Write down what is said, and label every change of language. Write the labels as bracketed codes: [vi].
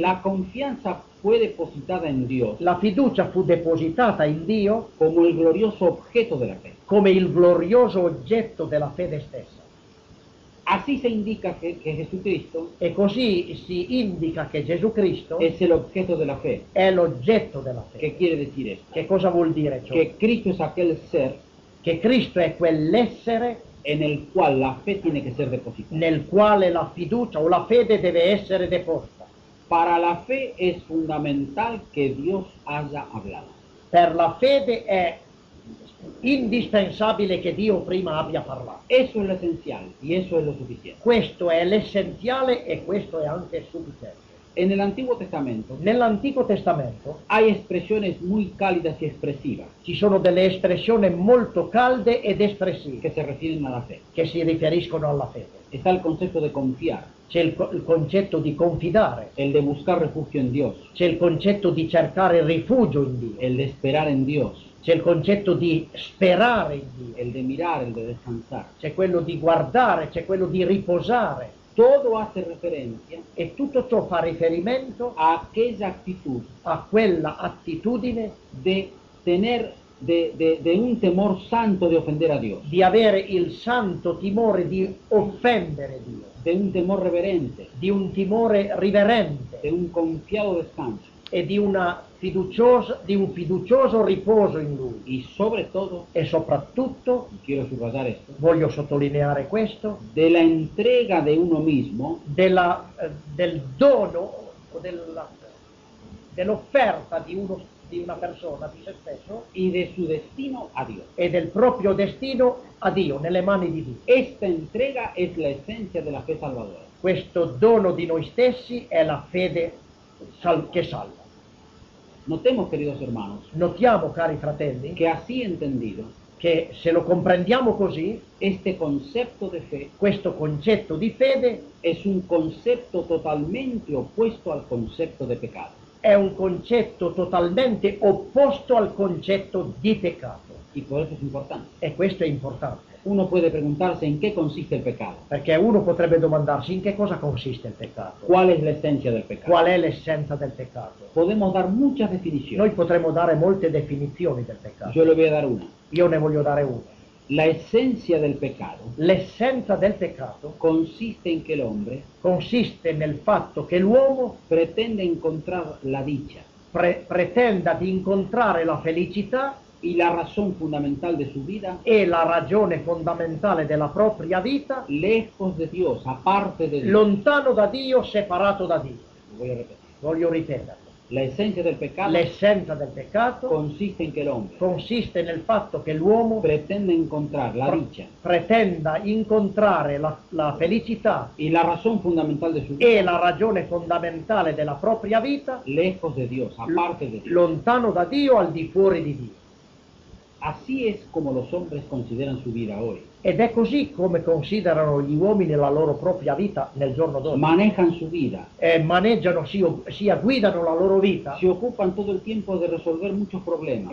[es] La confianza fue depositada en Dios. [it] La fiducia fu depositata in Dio. Come il glorioso oggetto della fede. Come il glorioso oggetto della fede stessa. [es] Así se indica que Jesucristo. [it] E così si indica che Gesù Cristo. [es] Es el objeto de la fe. [it] È l'oggetto della fede. [es] ¿Qué quiere decir esto? [it] Che cosa vuol dire ciò? [es] Que Cristo es aquel ser. [it] Che Cristo è quell'essere. [es] En el cual la fe tiene que ser depositada. [it] Nel quale la fiducia o la fede deve essere deposta. [es] Para la fe es fundamental que Dios haya hablado. [it] Per la fede è indispensabile che Dio prima abbia parlato. [es] Eso es lo esencial y eso es lo suficiente. [it] Questo è l'essenziale e questo è anche sufficiente. [es] En el Antiguo Testamento. [it] Nell'Antico Testamento. [es] Hay expresiones muy cálidas y expresivas. [it] Ci sono delle espressioni molto calde ed espressive. [es] Que se refieren a la fe. [it] Che si riferiscono alla fede. [es] Está el concepto de confiar. [it] C'è il concetto di confidare. [es] El de buscar refugio en Dios. [it] C'è il concetto di cercare rifugio in Dio. [es] El de esperar en Dios. [it] C'è il concetto di sperare in Dio. [es] El de mirar, el de descansar. [it] C'è quello di guardare, c'è quello di riposare. [es] Todo hace referencia [it] e tutto ciò fa riferimento [es] a aquella actitud, [it] a quella attitudine [es] de tener de un temor santo de ofender a Dios. [it] Di avere il santo timore di offendere Dio. [es] De un temor reverente. [it] Di un timore riverente. [es] De un confiado descanso. [it] E di una fiducioso, di un fiducioso riposo in Lui. [es] Y sobre todo, [it] e soprattutto, [es] quiero subrayar esto, [it] voglio sottolineare questo, [es] della entrega de uno mismo, [it] del dono o dell'offerta di una persona, di se stesso, [es] y de su destino a Dios. [it] E del proprio destino a Dio, nelle mani di Dio. [es] Esta entrega es la esencia de la fe salvadora. [it] Questo dono di noi stessi è la fede che salva. [es] Notemos, queridos hermanos, [it] notiamo, cari fratelli, [es] que así entendido, [it] che se lo comprendiamo così, [es] este concepto de fe, [it] questo concetto di fede, [es] es un concepto totalmente opuesto al concepto de pecado. [it] È un concetto totalmente opposto al concetto di peccato. [es] Y por eso es importante. [it] E questo è importante. [es] Uno puede preguntarse en qué consiste el pecado. [it] Perché uno potrebbe domandarsi in che cosa consiste il peccato. [es] ¿Cuál es la esencia del pecado? [it] Qual è l'essenza del peccato? [es] Podemos dar muchas definiciones. [it] Noi potremmo dare molte definizioni del peccato. [es] Yo le voy a dar una. [it] Io ne voglio dare una. [es] La esencia del pecado. [it] L'essenza del peccato [es] consiste en que el hombre [it] consiste nel fatto che l'uomo [es] pretende encontrar la dicha. [it] Pretenda di incontrare la felicità. [es] Y la razón fundamental de su vida, [it] e la ragione fondamentale della propria vita, [es] lejos de Dios, aparte de Dios, [it] lontano da Dio, separato da Dio. Voglio ripeterlo. L'essenza del peccato consiste in che l'uomo consiste nel fatto che l'uomo [es] pretende incontrare la dicha, [it] pretenda incontrare la felicità, [es] y la razón fundamental de su vida, [it] e la ragione fondamentale della propria vita, [es] lejos de Dios, aparte de Dios, [it] lontano da Dio, al di fuori di Dio. [es] Así es como los hombres consideran su vida hoy. [it] Ed è così come considerano gli uomini la loro propria vita nel giorno d'oggi. [es] Manejan su vida. [it] Maneggiano, sia guidano la loro vita. [es] Si ocupan todo el tiempo de resolver muchos problemas.